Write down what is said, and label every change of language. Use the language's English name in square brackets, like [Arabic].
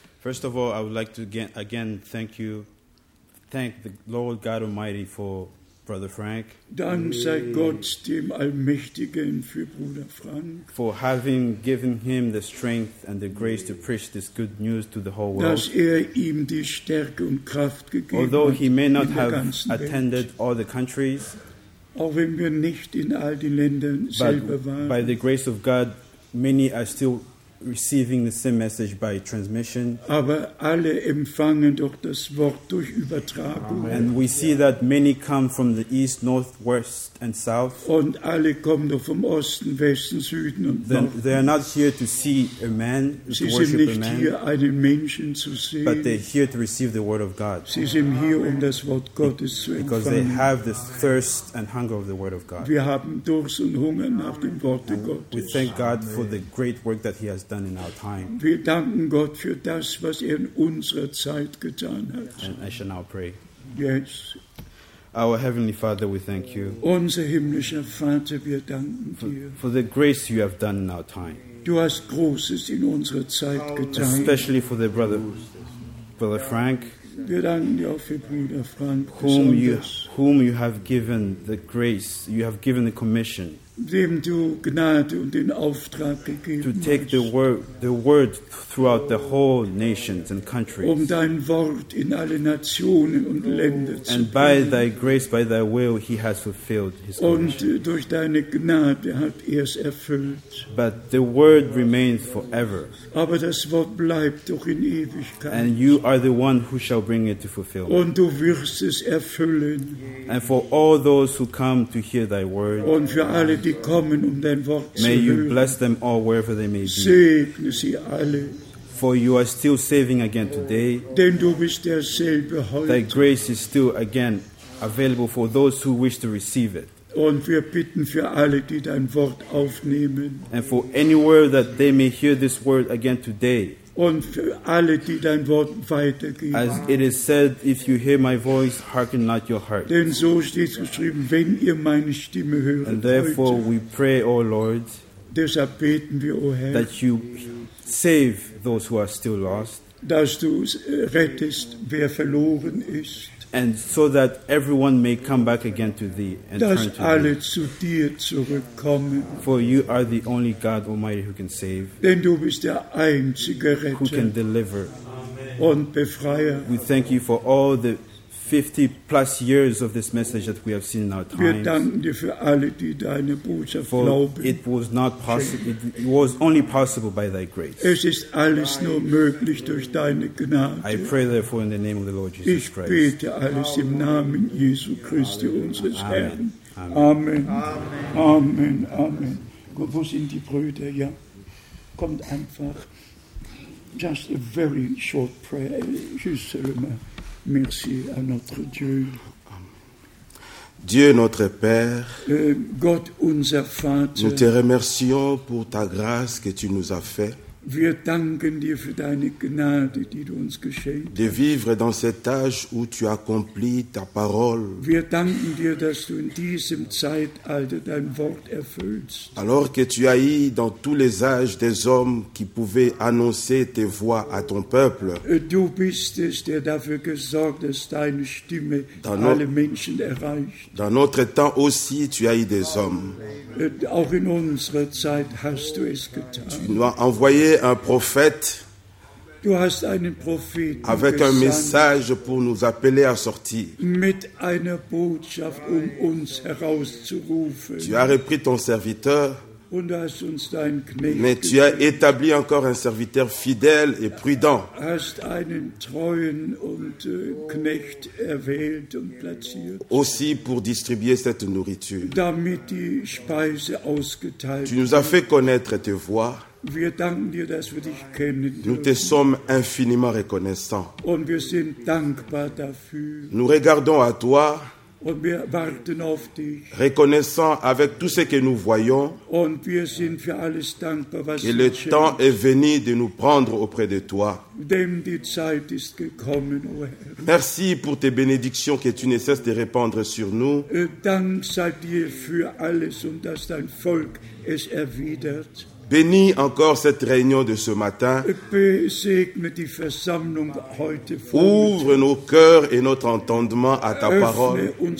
[English] First of all, I would like to again thank you, thank the Lord God Almighty for Brother Frank. [German] Dank sei Gott dem Allmächtigen für Bruder Frank. [English] For having given him the strength and the grace to preach this good news to the whole world. [German] Dass er ihm die Stärke und Kraft gegeben hat. [English] Although he may not have attended all the countries. [German] Auch wenn wir nicht in all den Ländern selber waren. [English] By the grace of God, many are still receiving the same message by transmission. [German] Aber alle empfangen doch das Wort durch Übertragung. [English] And we see that many come from the east, north, west, and south. [German] Und alle kommen doch vom Osten, Westen, Süden und Norden. [English] They are not here to see a man, [German] sie [English] to [German] sind [English] worship [German] nicht [English] a man, [German] hier einen Menschen zu sehen, [English] but they're here to receive the word of God. [German] Sie sind hier, um das Wort Gottes zu empfangen. [English] Because they have this thirst and hunger of the word of God. [German] Wir haben Durst und Hunger nach dem Wort Gottes. [English] We thank God for the great work that he has done in our time. Wir danken Gott für das, was er in unserer Zeit getan hat. And I shall now pray. Yes. Our Heavenly Father, we thank you. [German] Unser himmlischer Vater, wir danken dir. [English] For the grace you have done in our time. [German] Du hast Großes in unserer Zeit getan. [English] Especially for the brother Frank. [German] Wir danken dir auch für Bruder Frank. [English] Whom you have given the grace, you have given the commission. [German] Dem du Gnade und den Auftrag gegeben hast, [English] to take the word throughout the whole nations and countries, [German] um dein Wort in alle Nationen und Länder zu [English] and by thy grace, by thy will, he has fulfilled his [German] und [English] commission. [German] Und durch deine Gnade hat es erfüllt. [English] But the word remains forever. [German] Aber das Wort bleibt doch in Ewigkeit. [English] And you are the one who shall bring it to fulfillment. [German] Und du wirst es erfüllen. [English] And for all those who come to hear thy word, [German] und für alle die kommen, um dein Wort zu hören. [English] May you bless them all wherever they may be. [German] Segne sie alle. [English] For you are still saving again today. [German] Denn du bist derselbe heute. [English] Thy grace is still again available for those who wish to receive it. [German] Und wir bitten für alle, die dein Wort aufnehmen. [English] And for anywhere that they may hear this word again today. [German] Und für alle, die dein Wort weitergeben. [English] As it is said, if you hear my voice, hearken not your heart. [German] Denn so steht geschrieben, wenn ihr meine Stimme hört. [English] And therefore [German] heute, [English] we pray, O Lord, [German] deshalb beten wir, O Herr, [English] that you save those who are still lost. [German] Dass du rettest, wer verloren ist. [English] And so that everyone may come back again to thee and [German] dass [English] turn to [German] alle [English] thee. [German] Zu dir zurückkommen. [English] For you are the only God Almighty who can save. [German] Denn du bist der einzige Retter. [English] Who can deliver. [German] Amen. Und Befreier. [English] We thank you for all the 50 plus years of this message that we have seen in our times. [German] Wir danken dir für alle, die deine Botschaft [English] for [German] glauben. [English] It was not possible. It was only possible by thy grace. [German] Es ist alles nur möglich durch deine Gnade. [English] I pray therefore in the name of the Lord Jesus [German] ich [English] Christ. [German] Ich bete alles im Namen Jesu Christi, unseres Amen. Herrn. Amen. Amen. Amen. Amen. Amen. Gut, wo sind die Brüder? Ja. Kommt einfach. [English] Just a very short prayer. [French] Juste le merci à notre Dieu. Dieu notre Père, [German] Gott unser Vater, [French] nous te remercions pour ta grâce que tu nous as fait. [German] Wir danken dir für deine Gnade, die du uns geschenkt [French] de vivre dans cet âge où tu accomplis ta parole. [German] Wir danken dir, dass du in diesem Zeitalter dein Wort erfüllst. [French] Alors que tu as eu dans tous les âges des hommes qui pouvaient annoncer tes voix à ton peuple. [German] Du bist es, der dafür gesorgt, dass deine Stimme alle Menschen erreicht. [French] Dans notre temps aussi, tu as eu des hommes. [German] Auch in unserer Zeit hast du es getan. [French] Tu nous as envoyé un prophète [German] du hast einen Propheten [French] avec un message pour nous appeler à sortir. [German] Mit einer Botschaft, uns herauszurufen. [French] Tu as repris ton serviteur [German] und du hast uns deinen Knecht [French] mais tu as établi encore un serviteur fidèle et prudent. [German] Hast einen treuen und Knecht erwählt und platziert. [French] Aussi pour distribuer cette nourriture. [German] Damit die Speise ausgeteilt [French] tu nous as fait connaître tes voix. [German] Wir danken dir, dass wir dich kennen. [French] Nous te sommes infiniment reconnaissants. [German] Und wir sind dankbar dafür. [French] Nous regardons à toi. [German] Und wir warten auf dich. [French] Reconnaissant avec tout ce que nous voyons. [German] Und wir sind für alles dankbar, was [French] que le temps est venu de nous prendre auprès de toi. [German] Denn die Zeit ist gekommen, oh Herr. [French] Merci pour tes bénédictions que tu ne cesses de répandre sur nous. [German] Dank sei dir für alles und dass dein Volk es erwidert. [French] Bénis encore cette réunion de ce matin. Ouvre nos cœurs et notre entendement à ta parole.